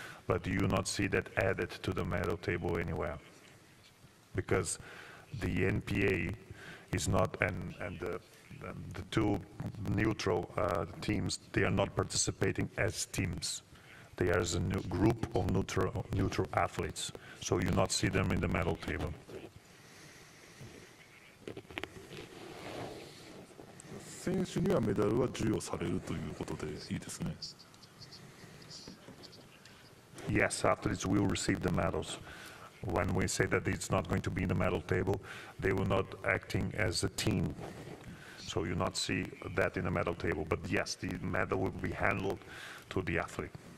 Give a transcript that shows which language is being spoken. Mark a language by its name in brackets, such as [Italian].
[English] But do you not see that added to the medal table anywhere? Because the NPA is not, and the two neutral teams, they are not participating as teams. They are as a new group of neutral athletes. So you not see them in the medal table. [Japanese] 選手にはメダルは授与されるということでいいですね。 [English] Yes, athletes will receive the medals. When we say that it's not going to be in the medal table, they will not acting as a team. So you not see that in the medal table. But yes, the medal will be handled to the athlete.